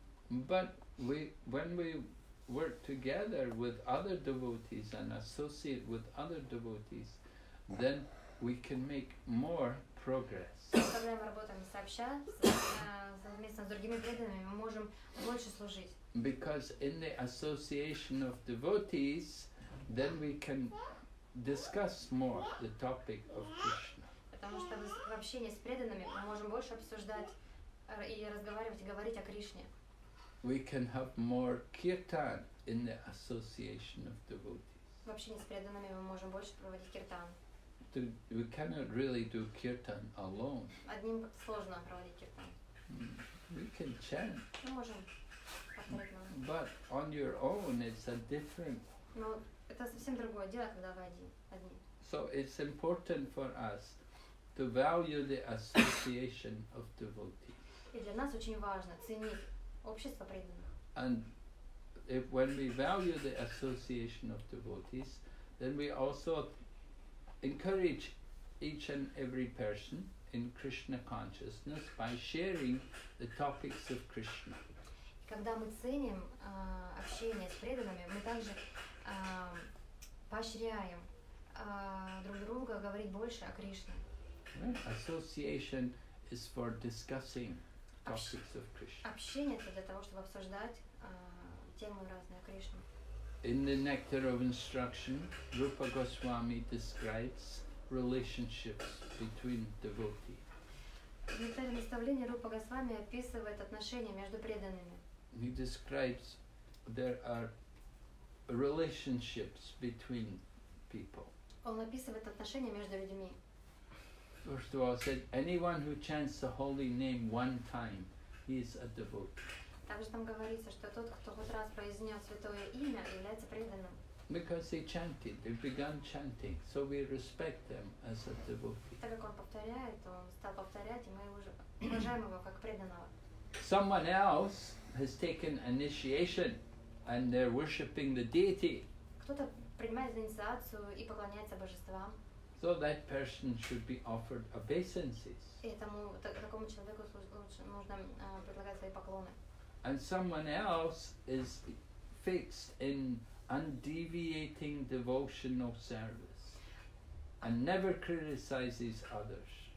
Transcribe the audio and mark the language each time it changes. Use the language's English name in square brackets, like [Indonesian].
[English] But when we work together with other devotees and associate with other devotees, then we can make more progress. [Russian] Когда мы работаем сообща, совместно с другими преданными, мы можем больше служить. [English] Because in the association of devotees, then we can discuss more the topic of Krishna. [Russian] Потому что в общении с преданными мы можем больше обсуждать и разговаривать и говорить о Кришне. [English] We can have more kirtan in the association of devotees. [Russian] В общении с преданными мы можем больше проводить киртан. [English] We cannot really do kirtan alone. [Russian] Одним сложно проводить киртан. [English] We can chant. [Russian] Мы можем. [English] But on your own, it's a different. [Russian] Но это совсем другое дело, когда вы один. [English] So it's important for us to value the association of devotees. [Russian] И для нас очень важно ценить общество преданных. [English] And if when we value the association of devotees, then we also encourage each and every person in Krishna consciousness by sharing the topics of Krishna. [Russian] Когда мы ценим общение с преданными, мы также поощряем друг друга говорить больше о Кришне. [English] Association is for discussing topics of Krishna. [Russian] Общение это для того, чтобы обсуждать темы разные о Кришне. [English] In the Nectar of Instruction, Rupa Goswami describes relationships between devotees. [Russian] В Нектаре наставления Рупа Госвами описывает отношения между преданными. [English] He describes there are relationships between people. [Russian] Он описывает отношения между людьми. [English] First of all, said anyone who chants the holy name one time, he is a devotee. [Russian] Также там говорится, что тот, кто хоть раз произнес святое имя, является преданным. [English] Because they chanted, they began chanting, so we respect them as a devotee. [Russian] Так как он повторяет, он стал повторять, и мы уже уважаем его как преданного. [English] Someone else has taken initiation and they're worshipping the deity. [Russian] Кто-то принимает инициацию и поклоняется божествам. [English] So that person should be offered obeisances. [Russian] И такому человеку нужно предлагать свои поклоны. [English] And someone else is fixed in undeviating devotional service and never criticizes others.